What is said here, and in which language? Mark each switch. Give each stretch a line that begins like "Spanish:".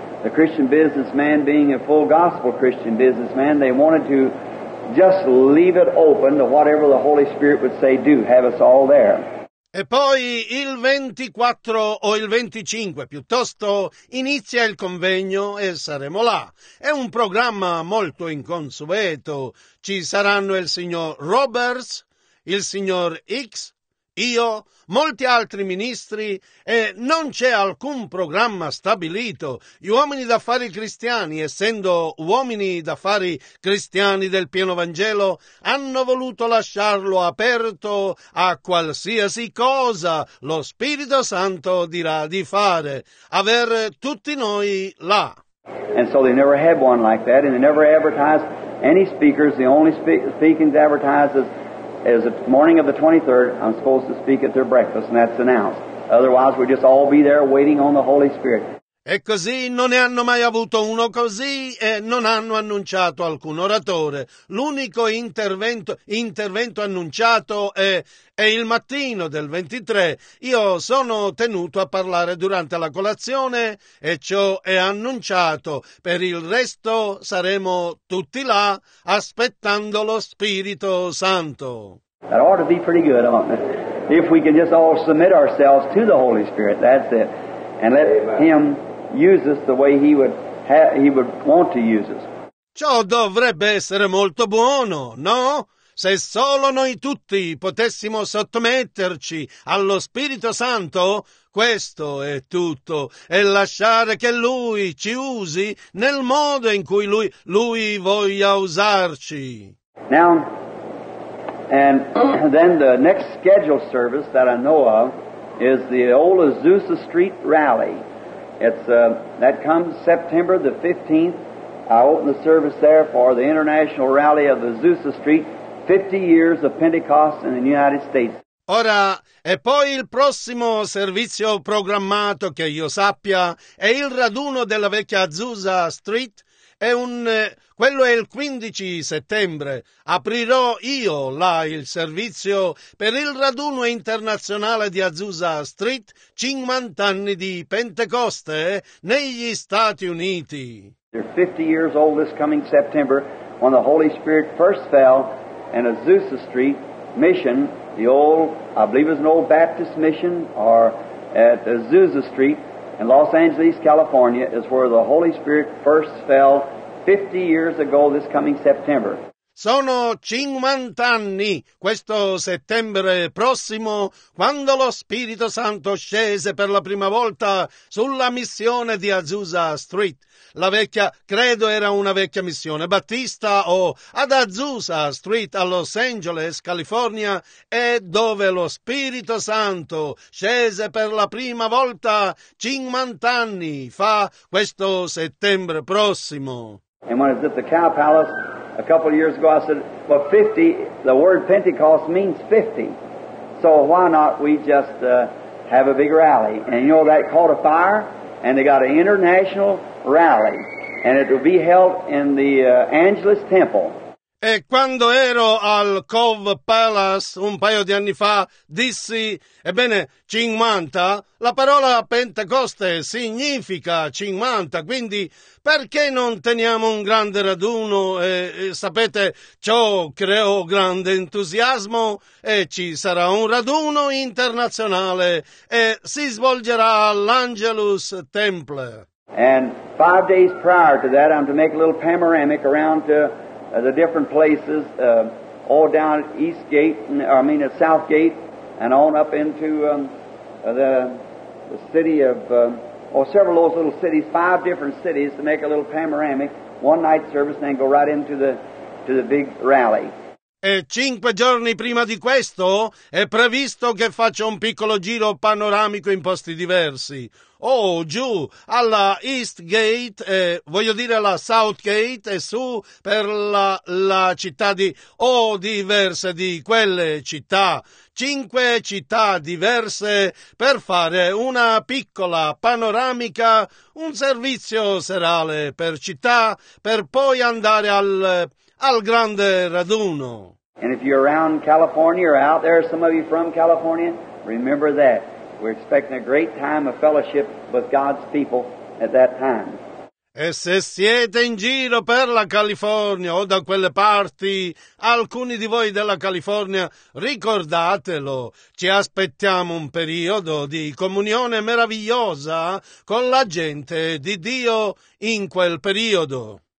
English: The Christian businessman being a full gospel Christian businessman, they wanted to just leave it open to whatever the Holy Spirit would say do, have us all there.
Italian: E poi il 24 o il 25, piuttosto, inizia il convegno e saremo là. È un programma molto inconsueto. Ci saranno il signor Roberts, il signor X, io, molti altri ministri e non c'è alcun programma stabilito. Gli uomini d'affari cristiani, essendo uomini d'affari cristiani del pieno Vangelo, hanno voluto lasciarlo aperto a qualsiasi cosa lo Spirito Santo dirà di fare, aver tutti noi là.
English: And so they never had one like that, and they never advertised any speakers. The only speaking advertised is the morning of the 23rd, I'm supposed to speak at their breakfast, and that's announced. Otherwise, we'll just all be there waiting on the Holy Spirit.
Italian: E così non ne hanno mai avuto uno così e non hanno annunciato alcun oratore. L'unico intervento annunciato è il mattino del 23. Io sono tenuto a parlare durante la colazione e ciò è annunciato. Per il resto saremo tutti là aspettando lo Spirito Santo.
English: That ought to be pretty good, aren't it? If we can just all submit ourselves to the Holy Spirit, that's it. And let Him use us the way he would want to use us.
Italian: Ciò dovrebbe essere molto buono, no? Se solo noi tutti potessimo sottometterci allo Spirito Santo, questo è tutto, e lasciare che Lui ci usi nel modo in cui Lui voglia usarci.
English: Now, and then the next scheduled service that I know of is the old Azusa Street Rally. It's that comes September the 15th. I open the service there for the International Rally of Azusa Street, 50 years of Pentecost in the United States.
Italian: Ora, e poi il prossimo servizio programmato che io sappia è il raduno della vecchia Azusa Street Quello è il 15 settembre. Aprirò io là il servizio per il raduno internazionale di Azusa Street, 50 anni di Pentecoste, negli Stati Uniti.
English: They're 50 years old this coming September when the Holy Spirit first fell in Azusa Street Mission, the old, I believe it was an old Baptist mission, or at Azusa Street in Los Angeles, California, is where the Holy Spirit first fell 50 years ago this coming September.
Italian: Sono 50 anni questo settembre prossimo quando lo Spirito Santo scese per la prima volta sulla missione di Azusa Street. La vecchia, credo era una vecchia missione battista o ad Azusa Street a Los Angeles, California, è dove lo Spirito Santo scese per la prima volta 50 anni fa questo settembre prossimo.
English: And when it's at the Cow Palace a couple of years ago, I said, well, 50, the word Pentecost means 50. So why not we just have a big rally? And you know that caught a fire? And they got an international rally. And it will be held in the Angelus Temple.
Italian: E quando ero al Cove Palace un paio di anni fa, dissi, ebbene, 50, la parola Pentecoste significa 50, quindi perché non teniamo un grande raduno? E sapete, ciò creò grande entusiasmo e ci sarà un raduno internazionale e si svolgerà all'Angelus Temple.
English: And 5 days prior to that, I'm to make a little panoramic around to the different places, all down at East Gate, at South Gate, and on up into the city of, several of those little cities, 5 different cities, to make a little panoramic, one night service, and then go right into the big rally.
Italian: E 5 giorni prima di questo è previsto che faccia un piccolo giro panoramico in posti diversi. Oh, giù, alla East Gate, voglio dire la South Gate, e su per la città di... Oh, diverse di quelle città. 5 città diverse per fare una piccola panoramica, un servizio serale per città, per poi andare al grande raduno.
English: And if you're around California or out there, some of you from California, remember that. We're expecting a great time of fellowship with God's people at that time.
Italian: E se siete in giro per la California o da quelle parti, alcuni di voi della California, ricordatelo, ci aspettiamo un periodo di comunione meravigliosa con la gente di Dio in quel periodo.